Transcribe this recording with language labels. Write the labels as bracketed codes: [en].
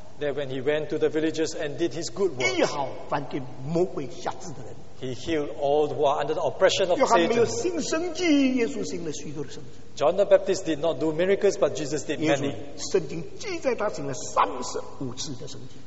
[en] That when he went to the villages and did his good works, [zh] 医好凡给魔鬼辖制的人。 [en] He healed all who are under the oppression of Satan. [zh] 约翰没有行神迹，耶稣行了许多的神迹。 [en] John the Baptist did not do miracles, but Jesus did many. [zh] 圣经记载他行了35次的神迹。